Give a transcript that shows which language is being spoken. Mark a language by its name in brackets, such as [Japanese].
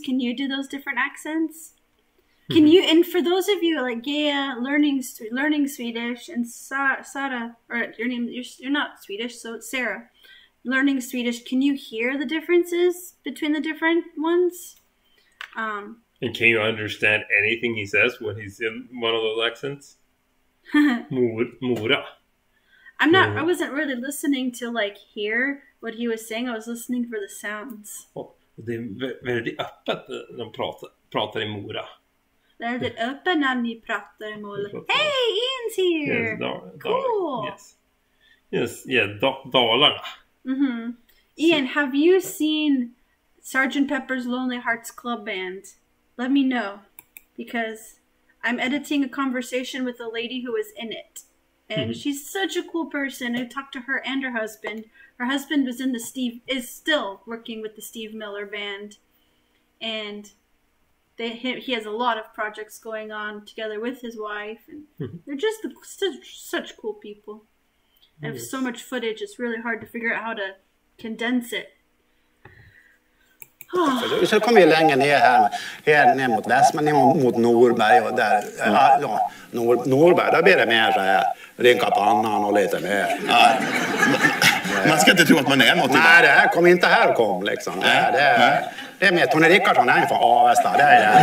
[English] Can you do those different accents? Can you, and for those of you like Gaia learning Swedish, and Sara, or your name, you're not Swedish, so it's Sarah, learning Swedish, can you hear the differences between the different ones? And can you understand anything he says when he's in one of those accents? Mora. I'm not, I wasn't really listening to like hear what he was saying, I was listening for the sounds. [Swedish] Oh, det är väldigt öppet när de pratar i Mora. Väldigt det öppen när ni pratar om olika. [English] Hey, Ian's here. Yes, cool. Dalarna. Mm-hmm. Ian, so, have you seen Sergeant Pepper's Lonely Hearts Club Band? Let me know, because I'm editing a conversation with a lady who was in it, and she's such a cool person. I talked to her and her husband. Her husband was in the Steve is still working with the Steve Miller Band, and. He has a lot of projects going on together with his wife, and they're just such cool people. I have so much footage; it's really hard to figure out how to condense it. [Swedish] Så kommer vi längre ner här, ner mot Väsman, ner mot Norberg och där. Ja, Norberg, där blir det mer så här, rinka pannan och lite mer. Man ska inte tro att man är något. Nej, det här kommer inte här kom, liksom. Nej, det är. Det är med Tony Rickardsson, han är från Avesta, det är